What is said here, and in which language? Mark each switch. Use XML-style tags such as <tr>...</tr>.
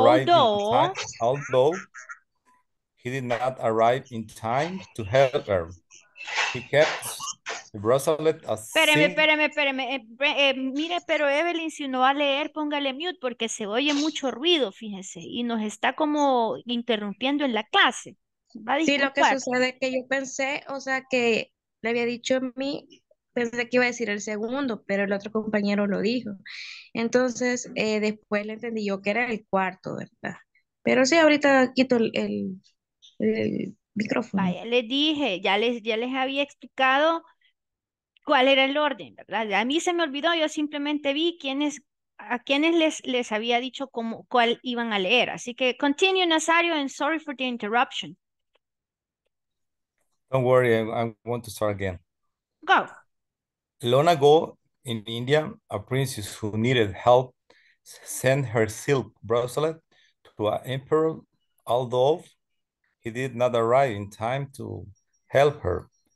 <en>Although he did not arrive in time to help her, he kept the bracelet a secret.</en> <es>Espéreme. Mire, pero Evelyn, si uno va a leer, póngale mute porque se oye mucho ruido, fíjense, y nos está como interrumpiendo en la clase. Va a disculpar. Sí, lo que sucede es que yo pensé, o sea, que le había dicho a mí. Pensé que iba a decir el segundo, pero el otro compañero lo dijo. Entonces, después le entendí yo que era el cuarto, ¿verdad? Pero sí, ahorita quito el micrófono. Vaya, les dije, ya les había explicado cuál era el orden, ¿verdad? A mí se me olvidó, yo simplemente vi a quienes les había dicho cuál iban a leer. Así que,</es> <en>continue, Nazario, and sorry for the interruption. Don't worry, I want to start again. Go. Long ago in India, a princess who needed help sent her silk bracelet to an emperor, although he did not arrive in time to help her.</en>